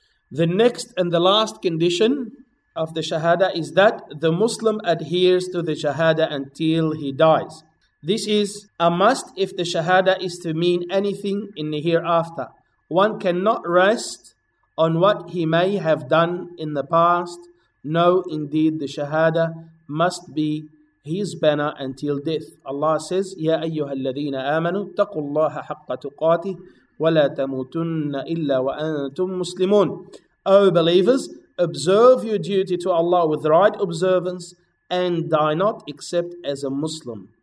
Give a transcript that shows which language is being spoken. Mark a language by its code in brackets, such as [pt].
[en] The next and the last condition of the shahada is that the Muslim adheres to the shahada until he dies. This is a must if the shahada is to mean anything in the hereafter. One cannot rest on what he may have done in the past. No, indeed, the shahada must be his banner until death. Allah says, [ar] يَا أَيُّهَا الَّذِينَ آمَنُوا اتَّقُوا اللَّهَ حَقَّ تُقَاتِهِ وَلَا تَمُوتُنَّ إِلَّا وَأَنْتُمْ مُسْلِمُونَ. [en] O believers, observe your duty to Allah with right observance and die not except as a Muslim.